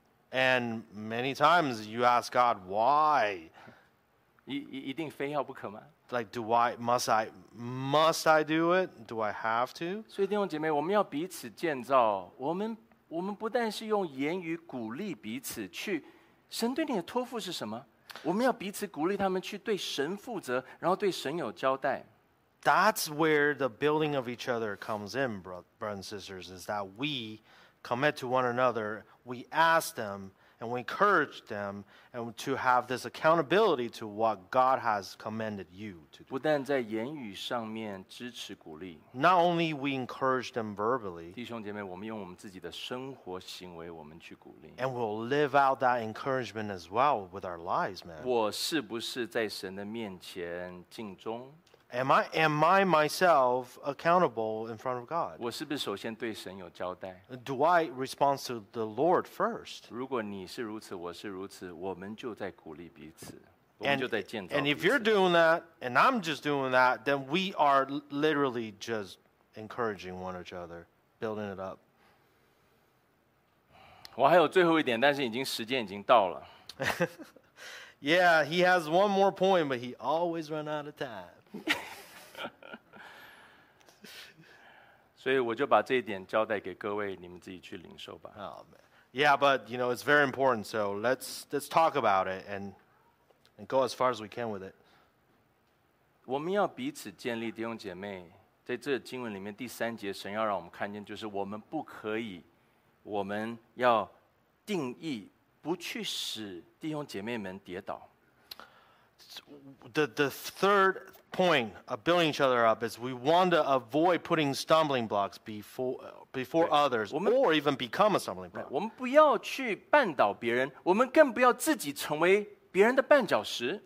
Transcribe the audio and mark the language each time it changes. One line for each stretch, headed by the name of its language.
English: And many times you ask God, why?
Chinese: 一定非要不可吗
English: Like, do I, must I do it? Do I have to?
Chinese: 所以弟兄姐妹，我们要彼此建造，我们不但是用言语鼓励彼此去，神对你的托付是什么？我们要彼此鼓励他们去对神负责，然后对神有交代。
English: That's where the building of each other comes in, brothers and sisters, is that we commit to one another, we ask them, and we encourage them and to have this accountability to what God has commanded you to do.
Chinese: 不但在言语上面支持鼓励。
English: Not only we encourage them verbally,
Chinese: 弟兄姐妹，我们用我们自己的生活行为我们去鼓励。
English: And we'll live out that encouragement as well with our lives, man.
Chinese: 我是不是在神的面前敬忠？
English: Am I myself accountable in front of God?
Chinese: 我是不是首先对神有交代
English: ？Do I respond to the Lord first?
Chinese: 如果你是如此，我是如此，我们就在鼓励彼此，我们就在建造彼此。
English: And if you're doing that, and I'm just doing that, then we are literally just encouraging one another, building it up.
Chinese: 我还有最后一点，但是已经时间已经到了。
English: Yeah, he has one more point, but he always runs out of time.
Chinese: 所以我就把这一点交代给各位，你们自己去领受吧。
English: Yeah, but you know it's very important. So let's talk about it and go as far as we can with it.
Chinese: 我们要彼此建立弟兄姐妹，在这经文里面第三节，神要让我们看见，就是我们不可以，我们要定义不去使弟兄姐妹们跌倒。
English: The third point of building each other up is we want to avoid putting stumbling blocks before others or even become a stumbling block.
Chinese: 我们不要去绊倒别人，我们更不要自己成为别人的绊脚石。